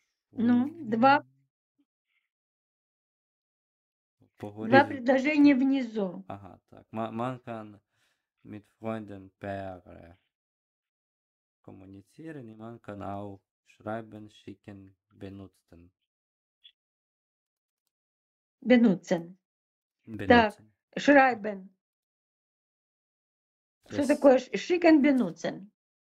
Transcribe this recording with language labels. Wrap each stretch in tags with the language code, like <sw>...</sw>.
<ru>ну, два предложения внизу. Ага, так.</ru> <de>Man kann mit Freunden per kommunizieren, man kann auch schreiben, schicken, benutzen. Benutzen.</de> <ru>Так, schreiben. Что такое</ru> <de>schicken, benutzen?</de>